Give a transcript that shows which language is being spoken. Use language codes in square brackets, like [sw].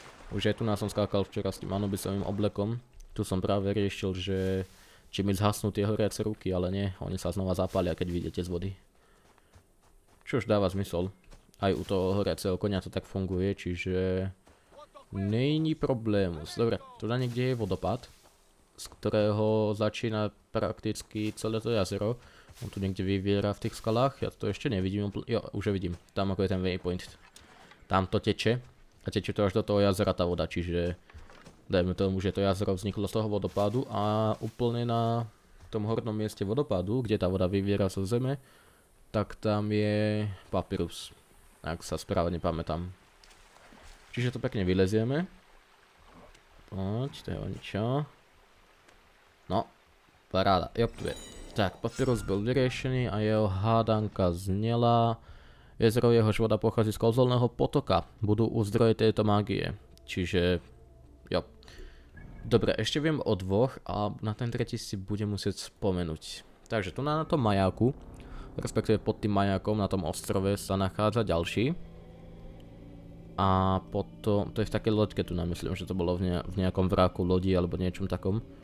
[sk] Už aj tu nás som skákal včera s tým anubisovým oblekom. Tu som práve riešil, že či mi zhasnú tie horiace ruky, ale nie, oni sa znova zapália, keď vyjdete z vody. Čož dáva zmysel. Aj u toho horiaceho konia to tak funguje, čiže... [cs] Není problém. [sk] Dobre, tu na niekde je vodopád, z ktorého začína prakticky celé to jazero. On tu niekde vyviera v tých skalách, ja to ešte nevidím, jo, už vidím, tam ako je ten waypoint. Tam to teče, a teče to až do toho jazera tá voda, čiže dajme tomu, že to jazero vzniklo z toho vodopádu a úplne na tom hornom mieste vodopádu, kde tá voda vyviera zo zeme, tak tam je papyrus, ak sa správne pamätám. Čiže to pekne vylezieme. Poď, to je o ničo. No, paráda, jop, tu je. Tak, papyrus [cs] byl [sk] vyriešený a jeho hádanka zniela. [cs] Jezero jehož voda pochází z kouzelného potoka. [sk] Budú u zdroje tejto mágie. Čiže, jo. Dobre, ešte viem o dvoch a na ten tretí si budem musieť spomenúť. Takže tu na tom majáku, respektíve pod tým majákom na tom ostrove sa nachádza ďalší. A potom, to je v takej loďke tu namyslím, že to bolo v nejakom vráku lodi alebo niečom takom.